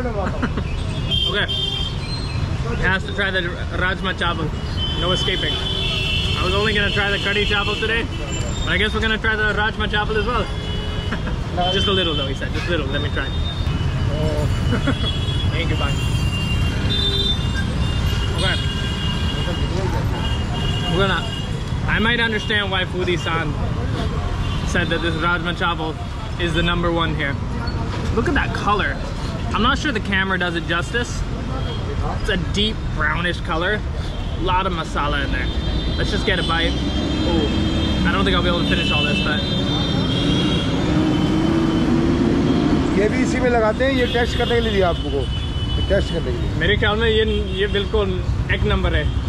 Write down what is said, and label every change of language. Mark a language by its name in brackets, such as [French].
[Hindi] डाल रहा हूं [English] Okay has to try the rajma chawal no escaping I was only gonna try the kadhi chawal today I guess we gonna try the rajma chawal as well just a little though he said just little let me try thank you bye okay I might understand why Foodie Saand said that this rajma chawal is the number one here. Look at that color. I'm not sure the camera does it justice. It's a deep brownish color. A lot of masala in there. Let's just get a bite. Oh, I don't think I'll be able to finish all this, but. [Hindi] ये भी इसी में लगाते हैं ये test करने के लिए दिया आपको टेस्ट करने के लिए मेरे ख्याल में ये बिल्कुल एक नंबर है